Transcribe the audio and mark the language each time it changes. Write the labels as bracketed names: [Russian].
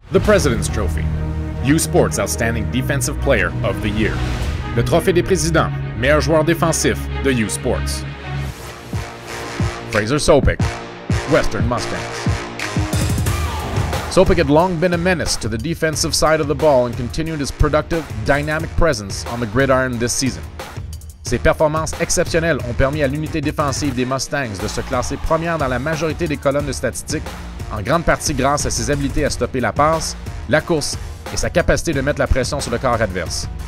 [English] The President's Trophy, U Sports Outstanding Defensive Player of the Year. [French] Le Trophée des Présidents, Meilleur Joueur Défensif de U Sports. [English] Fraser Sopik, Western Mustangs. Sopik had long been a menace to the defensive side of the ball and continued his productive, dynamic presence on the gridiron this season. [French] Ses performances exceptionnelles ont permis à l'unité défensive des Mustangs de se classer première dans la majorité des colonnes de statistiques, en grande partie grâce à ses habiletés à stopper la passe, la course et sa capacité de mettre la pression sur le corps adverse.